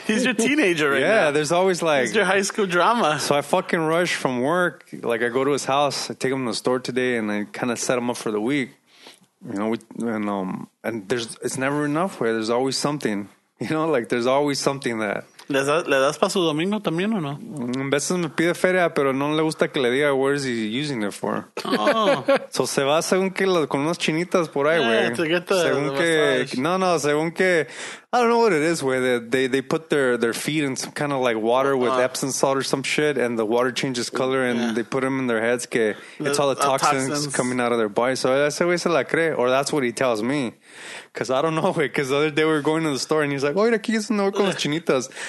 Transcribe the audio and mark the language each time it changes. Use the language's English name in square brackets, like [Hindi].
[English] He's your teenager right yeah, now. Yeah. There's always like. He's your high school drama. So I fucking rush from work. Like I go to his house. I take him to the store today and I kind of set him up for the week. You know, and there's, it's never enough where there's always something, you know, like there's always something that. [Spanish] ¿Le das para su domingo también o no? A veces me pide feria, pero no le gusta que le diga [English] what is he using it for. Oh. [Spanish] So se va según que con unas chinitas por ahí, güey. Según que... [English] Massage. No, [Spanish] según que... [English] I don't know what it is, güey. They put their feet in some kind of like water with Epsom salt or some shit, and the water changes color, and they put them in their heads que it's all the toxins coming out of their body. So [Spanish] ese güey se la cree, [English] or that's what he tells me. Because I don't know, güey, because the other day we were going to the store, and he's like, [Spanish] oye, aquí es un con las chinitas.